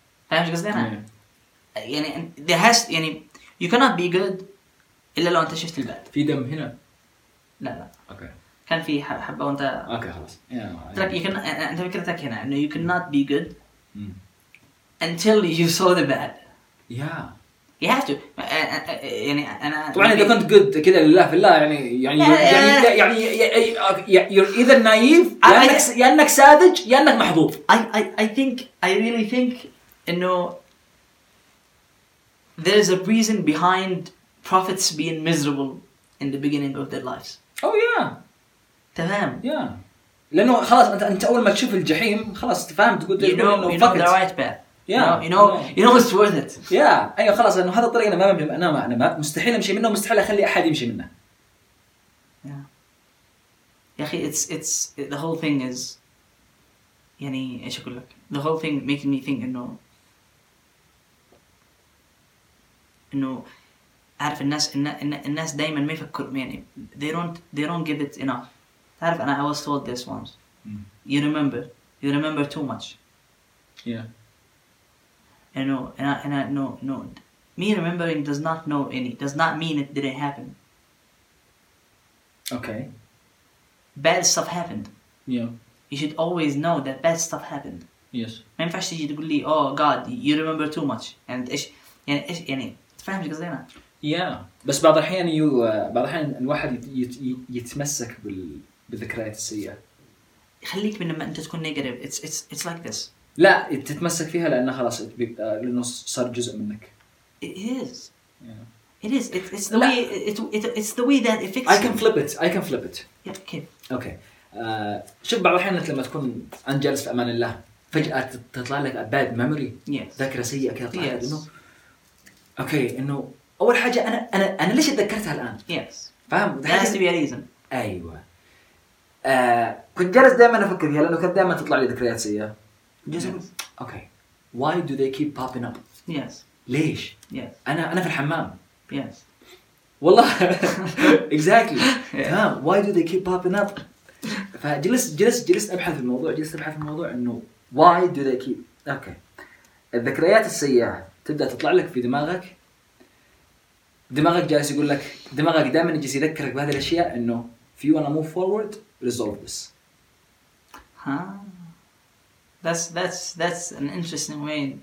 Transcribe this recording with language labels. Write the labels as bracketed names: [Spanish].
[Arabic] فهم ايش قصدي انا؟ يعني [English] there has [Arabic] يعني [English] you cannot be good [Arabic] الا لو انت شفت الباد. في دم هنا؟ لا لا. اوكي. كان في حبة وانت اوكي خلاص يعني انت فكرتك هنا انه [English] you cannot be good until you saw the bad. Yeah. You have to [Arabic] يعني انا طبعا اذا كنت good كده لله في الله يعني [English] you're either naive [Arabic] يا انك ساذج يا انك محظوظ. [English] I really think انه there is a reason behind prophets being miserable in the beginning of their lives. Oh yeah. [Arabic] تمام. [English] Yeah. [Arabic] لأنه خلاص أنت أول ما تشوف الجحيم خلاص تفهم تقول [English] you know no, you know the right path. Yeah. You know it's worth it. Yeah. [Arabic] أيوة خلاص لأنه هذا الطريق أنا ما مستحيل أمشي منه مستحيل أخلي أحد يمشي منه. يا أخي [English] it's the whole thing is [Arabic] يعني إيش أقول لك [English] the whole thing making me think [Arabic] إنه أعرف الناس دائما ما يفكر يعني [English] they don't give it enough. [Arabic] تعرف أنا [English] I was told this once. You remember too much. Yeah. And no. Me remembering does not know any. Does not mean it didn't happen. Okay. Bad stuff happened. Yeah. You should always know that bad stuff happened. Yes. [Arabic] ما ينفعش تيجي تقول لي [English] oh God you remember too much and [Arabic] إيش يعني تفهم إيش قصدي أنا. [English] Yeah. [Arabic] بس بعض الأحيان يو بعض الأحيان الواحد يتمسك بالذكريات السيئة. خليك من لما أنت تكون نيجاتيف. [English] It's like this. [Arabic] لا تتمسك فيها لأن خلاص لأنه صار جزء منك. [English] It is. It's the way that it fixes. I can flip it. Yeah. Okay. [Arabic] شوف بعض الأحيان لما تكون أنت جالس في أمان الله فجأة تطلع لك [English] a bad memory. Yes. [Arabic] ذاكرة سيئة كذا طلعت. [English] Yes. Okay. [Arabic] إنه أول حاجة أنا ليش اتذكرتها الآن؟ [English] yes. [Arabic] فهم؟ [English] has to be a reason. [Arabic] أيوة. كنت جالس دائما أفكر فيها لأنه كانت دائما تطلع لي ذكريات سيئة. [English] yes. Okay. Why do they keep popping up? yes. [Arabic] ليش؟ [English] yes. [Arabic] أنا في الحمام. [English] yes. [Arabic] والله. [English] exactly. yeah. [Arabic] تمام. [English] Why do they keep popping up? [Arabic] فجلست أبحث في الموضوع إنه [English] why do they keep okay. [Arabic] الذكريات السيئة تبدأ تطلع لك في دماغك. دماغك جالس يقول لك دماغك دائما يجي يذكرك بهذه الاشياء انه [English] if you wanna move forward resolve this. ها that's an interesting way.